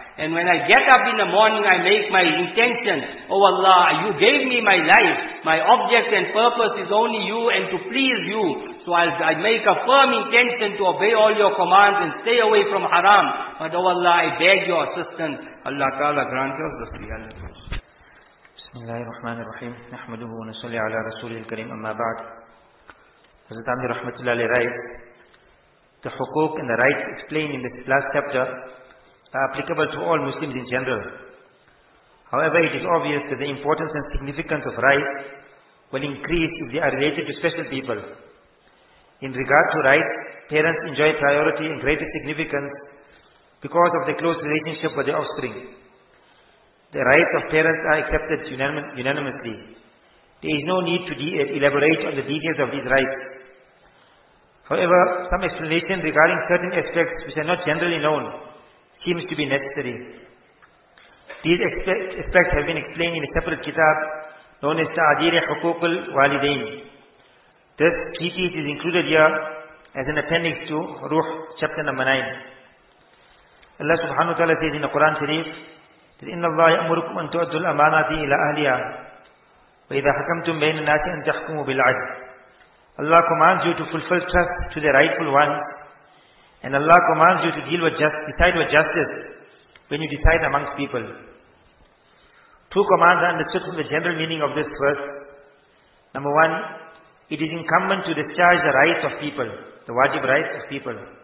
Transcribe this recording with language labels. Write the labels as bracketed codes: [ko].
[en] And when I get up in the morning, I make my intention, oh Allah, you gave me my life. My object and purpose is only you and to please you. So I make a firm intention to obey all your commands and stay away from haram. But oh Allah, I beg your assistance. Allah ta'ala grant us the reality. [ar] بسم الله الرحمن الرحيم نحمده ونصلي على رسوله الكريم اما بعد حضرت عمي رحمة الله عليه رائد [en] the حقوق and the rights explained in this last chapter are applicable to all Muslims in general. However, it is obvious that the importance and significance of rights will increase if they are related to special people. In regard to rights, parents enjoy priority and greater significance because of the close relationship with their offspring. The rights of parents are accepted unanimously. There is no need to elaborate on the details of these rights. However, some explanation regarding certain aspects which are not generally known seems to be necessary. These aspects have been explained in a separate kitab known as Ta'adir-e Huquq al-Walidain. This treatise is included here as an appendix to Ruh chapter number 9. Allah subhanahu wa ta'ala says in the Quran Sharif, [ar] إن الله يأمركم أن تؤدوا الأمانات إلى أهلها وإذا حكمتم بين الناس أن تحكموا بالعدل. [en] Allah commands you to fulfill trust to the rightful one, and Allah commands you to deal with decide with justice when you decide amongst people. Two commands are understood from the general meaning of this verse. Number one, it is incumbent to discharge the rights of people, the wajib rights of people.